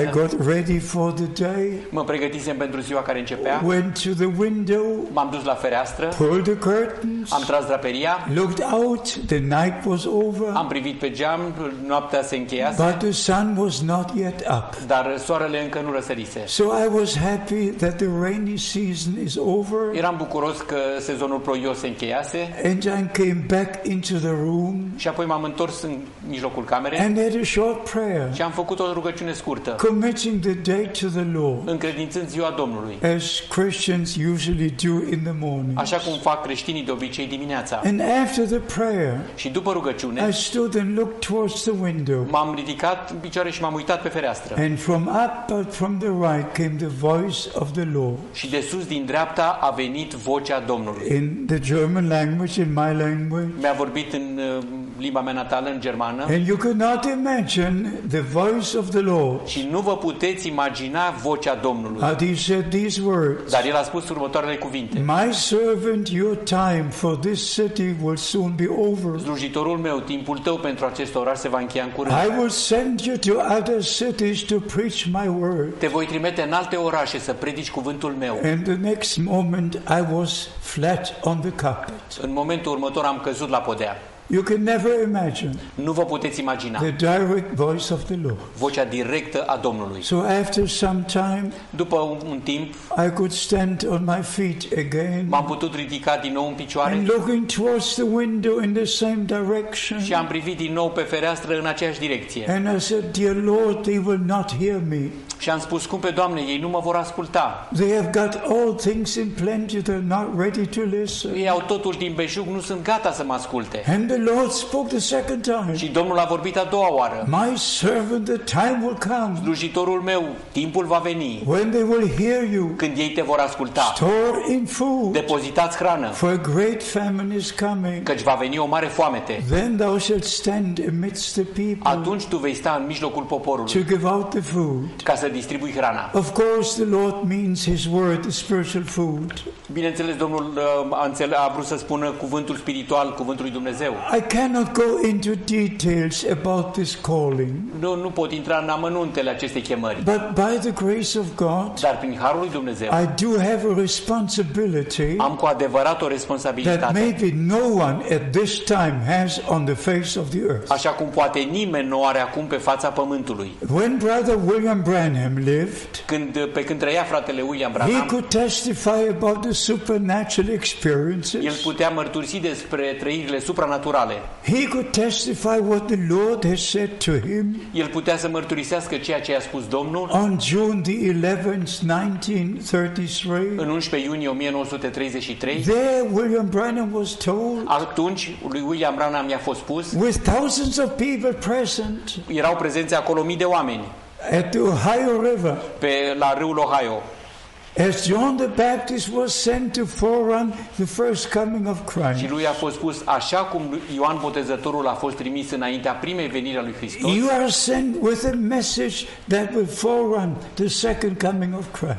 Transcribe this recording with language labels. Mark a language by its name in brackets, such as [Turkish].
[English] I got ready for the day. [Romanian] Mă pregătisem pentru ziua care începea. [English] Went to the window. [Romanian] M-am dus la fereastră. [English] Pulled the curtains. [Romanian] Am tras draperia. [English] Looked out. The night was over. [Romanian] Am privit pe geam. Noaptea se încheiase. [English] But the sun was not yet up. [Romanian] Dar soarele încă nu răsărise. [English] So I was happy that the rainy season is over. [Romanian] Eram bucuros că sezonul ploios se încheiase. [English] And I came back into the room. [Romanian] Și apoi m-am întors în mijlocul camerei. [English] And had a short prayer. [Romanian] Și am făcut o rugăciune scurtă. [English] Committing the day to the Lord. [Romanian] Încredințând ziua Domnului. [English] As Christians usually do in the morning. [Romanian] Așa cum fac creștinii de obicei dimineața. [English] And after the prayer. [Romanian] Și după rugăciune. [English] I stood and looked towards the window. [Romanian] M-am ridicat în picioare și m-am uitat pe fereastră. [English] And from up but from the right came the voice of the Lord. [Romanian] Și de sus din dreapta a venit vocea Domnului. [English] In the German language, in my language. [Romanian] Mi-a vorbit în limba mea natală, în germană. [English] And you cannot imagine the voice of the Lord. [Romanian] Și nu vă puteți imagina vocea Domnului. [English] But he said these words. [Romanian] Dar el a spus următoarele cuvinte. [English] My servant, your time for this city will soon be over. [Romanian] Slujitorul meu, timpul tău pentru acest oraș se va încheia în curând. [English] I will send you to other cities to preach my word. [Romanian] Te voi trimite în alte orașe să predici cuvântul meu. [English] And the next moment I was flat on the carpet. [Romanian] În momentul următor am căzut la podea. [English] You can never imagine. [Romanian] Nu vă puteți imagina. [English] The direct voice of the Lord. [Romanian] Vocea directă a Domnului. [English] So after some time, [Romanian] după un timp, [English] I could stand on my feet again. [Romanian] M-am putut ridica din nou în picioare. [English] And looking towards the window in the same direction. [Romanian] Și am privit din nou pe fereastră în aceeași direcție. [English] And I said, "Dear Lord, they will not hear me." [Romanian] Și am spus, scumpe Doamne, ei nu mă vor asculta. [English] They have got all things in plenty, they're not ready to listen. [Romanian] Ei au totul din beșug, nu sunt gata să mă asculte. [English] And the Lord spoke the second time. [Romanian] Și Domnul a vorbit a doua oară. [English] My servant, the time will come. [Romanian] Slujitorul meu, timpul va veni. [English] When they will hear you. [Romanian] Când ei te vor asculta. [English] Store in food. [Romanian] Depozitați hrană. [English] For a great famine is coming. [Romanian] Căci va veni o mare foamete. [English] Then thou shalt stand amidst the people. [Romanian] Atunci tu vei sta în mijlocul poporului. [English] To give out the food. [Romanian] Ca să distribui hrana. [English] Of course the Lord means his word, the spiritual food. [Romanian] Bineînțeles, Domnul a vrut să spună cuvântul spiritual, cuvântul lui Dumnezeu. [English] I cannot go into details about this calling. [Romanian] Nu, nu pot intra în amănuntele acestei chemări. [English] But by the grace of God, [Romanian] dar prin harul lui Dumnezeu, [English] I do have a responsibility. [Romanian] Am cu adevărat o responsabilitate. [English] That maybe no one at this time has on the face of the earth. [Romanian] Așa cum poate nimeni nu are acum pe fața pământului. [English] When Brother William Branham lived, [Romanian] când pe când trăia fratele William Branham, [English] he could testify about the supernatural experiences. [Romanian] El putea mărturisi despre trăirile supranaturale. [English] He could testify what the Lord has said to him. [Romanian] El putea să mărturisească ceea ce i-a spus Domnul. [English] On June 11, 1933. [Romanian] În 11 iunie 1933. [English] There William Branham was told. [Romanian] Atunci lui William Branham i-a fost spus. [English] With thousands of people present. [Romanian] Erau prezenți acolo mii de oameni. [English] At the Ohio River. [Romanian] Pe la râul Ohio. [English] As John the Baptist was sent to forerun the first coming of Christ. [Romanian] Și lui a fost spus, așa cum Ioan Botezătorul a fost trimis înaintea primei veniri a lui Hristos. [English] You are sent with a message that will forerun the second coming of Christ.